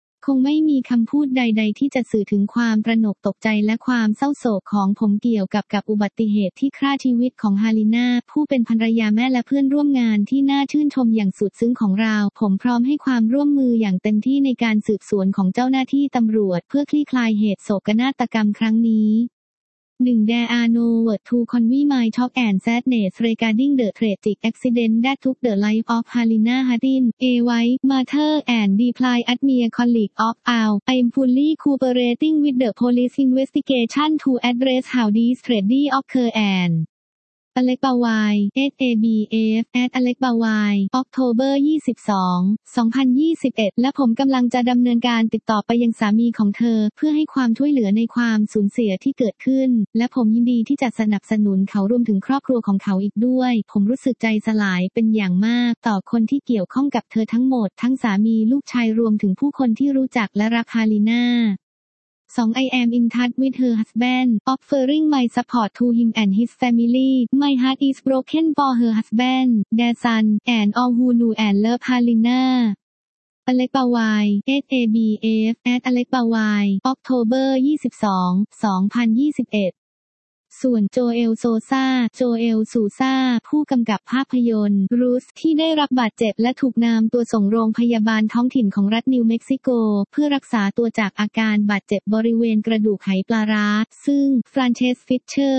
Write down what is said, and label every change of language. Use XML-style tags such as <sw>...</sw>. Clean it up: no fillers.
<th>คงไม่มีคำพูดใดๆที่จะสื่อถึงความตระหนกตกใจและความเศร้าโศกของผมเกี่ยวกับอุบัติเหตุที่คร่าชีวิตของฮาลิน่าผู้เป็นภรรยาแม่และเพื่อนร่วมงานที่น่าชื่นชมอย่างสุดซึ้งของเราผมพร้อมให้ความร่วมมืออย่างเต็มที่ในการสืบสวนของเจ้าหน้าที่ตำรวจเพื่อคลี่คลายเหตุโศกนาฏกรรมครั้งนี้1.</th> <en>There are no words to convey my shock and sadness regarding the tragic accident that took the life of Halina Hadin, a wife, mother and deeply admired colleague of ours. I am fully cooperating with the police investigation to address how this tragedy occurred and...</en> <th>อเล็กบาวาย SABF @อเล็กบาวาย</th> <en>October 22 2021</en> <th>และผมกำลังจะดำเนินการติดต่อไปยังสามีของเธอเพื่อให้ความช่วยเหลือในความสูญเสียที่เกิดขึ้นและผมยินดีที่จะสนับสนุนเขารวมถึงครอบครัวของเขาอีกด้วยผมรู้สึกใจสลายเป็นอย่างมากต่อคนที่เกี่ยวข้องกับเธอทั้งหมดทั้งสามีลูกชายรวมถึงผู้คนที่รู้จักและรักฮาลิน่า2.</th> <en>I am in touch with her husband, offering my support to him and his family. My heart is broken for her husband, their son, and all who knew and loved Halina.</en> <th>อเล็กบาวาย SABF @อเล็กบาวาย</th> <en>October 22, 2021</en> <th>ส่วนโจเอลโซซาโจเอลซูซาผู้กำกับภาพยนตร์รูสที่ได้รับบาดเจ็บและถูกนำตัวส่งโรงพยาบาลท้องถิ่นของรัฐนิวเม็กซิโกเพื่อรักษาตัวจากอาการบาดเจ็บบริเวณกระดูกไหปลาร้าซึ่งฟรานเชสฟิชเช</th>